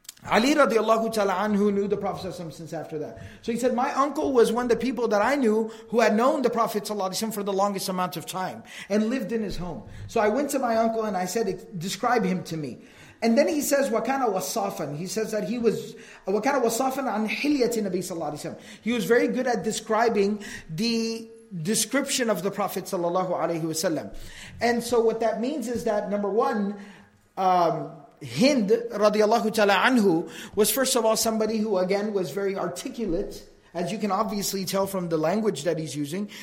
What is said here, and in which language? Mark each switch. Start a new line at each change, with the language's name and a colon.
English: Ali radiallahu ta'ala anhu knew the Prophet ﷺ since after that. So he said, my uncle was one of the people that I knew who had known the Prophet ﷺ for the longest amount of time and lived in his home. So I went to my uncle and I said, describe him to me. And then he says,
Arabic: وَكَانَ wasafan.
English: He says that he was,
Arabic: وَكَانَ wasafan عَنْ حِلْيَةِ نَبِي صَلَّى اللَّهُ عَلَيْهِ وَسَلَّمَ.
English: He was very good at describing the description of the Prophet ﷺ. And so what that means is that, number one, Hind radiallahu ta'ala anhu was first of all somebody who again was very articulate, as you can obviously tell from the language that he's using.